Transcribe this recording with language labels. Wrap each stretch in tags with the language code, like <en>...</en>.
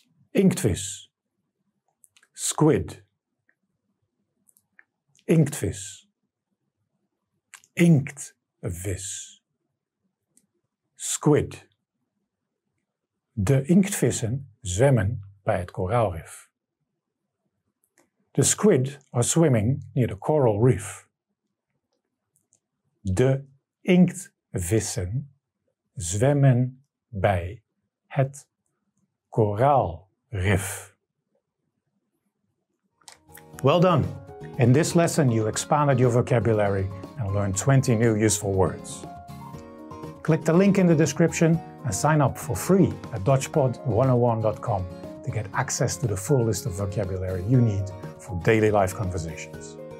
<nl>Inktvis. Squid. Inktvis. Inktvis. Squid. De inktvissen zwemmen bij het koraalrif.</nl> <en>The squid are swimming near the coral reef.</en> <nl>De inktvissen zwemmen bij het koraalrif.</nl> <en>Well done. In this lesson you expanded your vocabulary and learned 20 new useful words. Click the link in the description and sign up for free at DutchPod101.com to get access to the full list of vocabulary you need for daily life conversations.</en>